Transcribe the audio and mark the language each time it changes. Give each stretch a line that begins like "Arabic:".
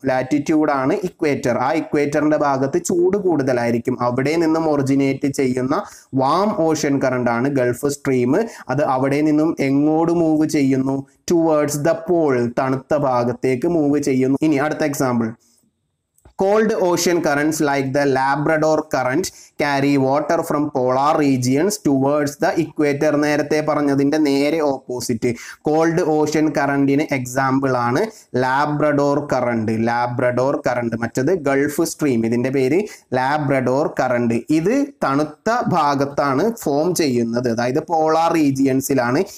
Malayalam: ലാറ്റിറ്റ്യൂഡാണ് equator. ആ ഇക്വേറ്ററിൻ്റെ ഭാഗത്ത് ചൂട് കൂടുതലായിരിക്കും. അവിടെ നിന്നും ഒറിജിനേറ്റ് ചെയ്യുന്ന വാം ഓഷ്യൻ കറണ്ടാണ് ഗൾഫ് സ്ട്രീം. അത് അവിടെ നിന്നും എങ്ങോട് മൂവ് ചെയ്യുന്നു?
English: towards the pole,
Malayalam: തണുത്ത ഭാഗത്തേക്ക് മൂവ് ചെയ്യുന്നു. ഇനി അടുത്ത example.
English: Cold ocean currents like the Labrador current carry water from polar regions towards the equator.
Malayalam: നേരത്തെ പറഞ്ഞതിന്റെ നേരെ ഓപ്പോസിറ്റ്. കോൾഡ് ഓഷ്യൻ കറണ്ടിന് എക്സാമ്പിൾ ആണ് ലാബ്രഡോർ കറണ്ട്. ലാബ്രഡോർ കറണ്ട് മറ്റത് ഗൾഫ് സ്ട്രീം. ഇതിന്റെ പേര് ലാബ്രഡോർ കറണ്ട്. ഇത് തണുത്ത ഭാഗത്താണ് ഫോം ചെയ്യുന്നത്, അതായത് പോളാർ റീജിയൻസിലാണ്.